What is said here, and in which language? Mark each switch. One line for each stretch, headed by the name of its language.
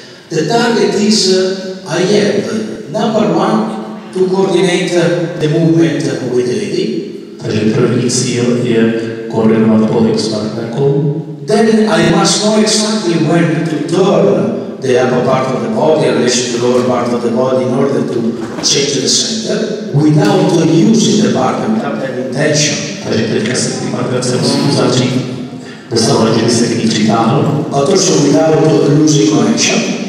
English: The target is, I have, number one, to coordinate the movement with the lady.
Czech: Takže první cíl je koordinovat pohyb s partnerkou.
English: Then I must know exactly when to turn the upper part of the body, or the lower part of the body, in order to change the center, without using the partner, without any intention.
Czech: Takže teďka se tím partnerem musím zavřít, bez toho, že by se k ní přitáhl.
English: But also without losing connection.